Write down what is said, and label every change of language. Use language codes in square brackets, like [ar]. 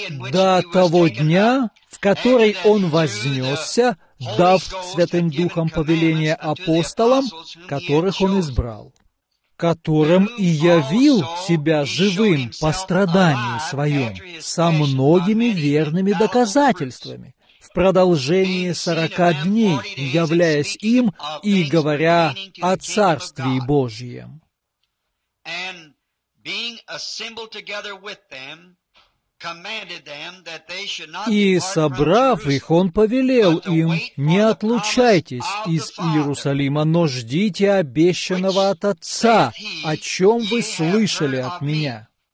[ru] до того дня, в который Он вознесся, дав Святым Духом повеление апостолам, которых Он избрал, которым и явил себя живым по страданию своем со многими верными доказательствами, в продолжении 40 дней, являясь им и говоря о Царствии Божьем. [en] and being assembled together with them, commanded them that they should not depart from Jerusalem. [ru] И собрав их, он повелел им: не отлучайтесь из Иерусалима, но ждите обещанного от Отца, о чем вы слышали от меня.